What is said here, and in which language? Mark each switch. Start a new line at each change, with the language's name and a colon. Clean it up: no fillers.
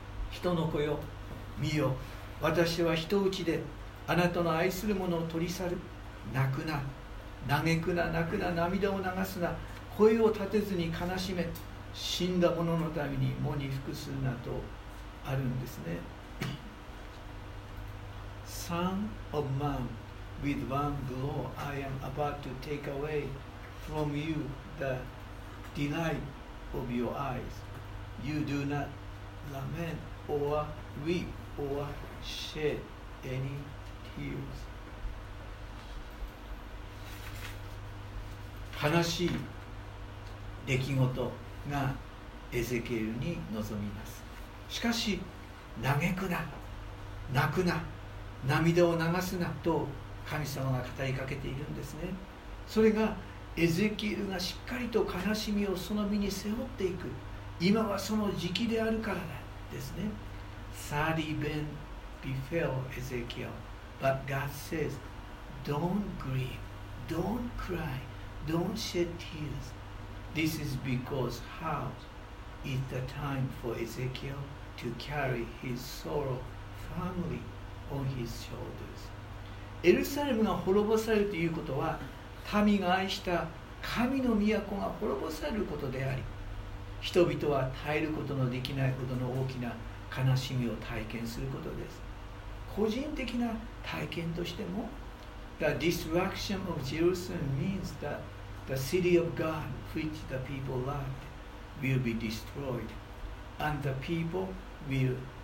Japanese: 人の子よ、見よ、私は人打ちであなたの愛する者を取り去る。泣くな、嘆くな、泣くな、涙を流すな、声を立てずに悲しめ、死んだ者のために喪に服するなとあるんですね。
English: Son of man, with one blow I am about to take away from you the delight of your eyes. You do not lament or weep or shed any tears.
Japanese: 悲しい出来事がエゼキエルに臨みます。しかし、嘆くな、泣くな、涙を流すなと神様が語りかけているんですね。それがエゼキエルがしっかりと悲しみをその身に背負っていく、今はその時期であるからなんですね。
English: Sad event befell Ezekiel, but God says, Don't grieve, don't cry, don't shed tears. This is because how is the time for Ezekiel to carry his sorrow firmly. On his shoulders.
Japanese: エルサレムが滅ぼされるということは、民が愛した神の都が滅ぼされることであり、人々は耐えることのできないほどの大きな悲しみを体験することです。個人的な体験としても、
English: The destruction of Jerusalem means that the city of God, which the people loved, will be destroyed, and the people will.